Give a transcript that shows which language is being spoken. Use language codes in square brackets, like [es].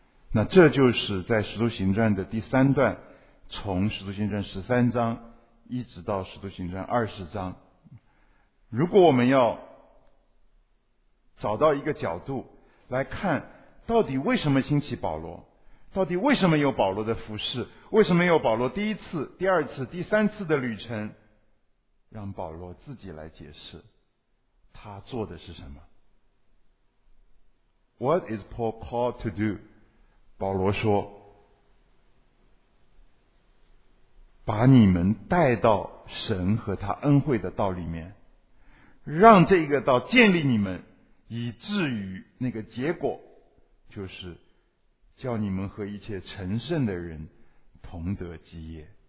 [zh] 那这就是在使徒行传的第三段，从使徒行传十三章一直到使徒行传二十章，如果我们要找到一个角度来看，到底为什么兴起保罗，到底为什么有保罗的服事，为什么有保罗第一次、第二次、第三次的旅程，让保罗自己来解释他做的是什么。 [en] What is Paul called to do？ [zh] 保罗说，把你们带到神和他恩惠的道里面，让这个道建立你们，以至于那个结果就是叫你们和一切成圣的人同得基业。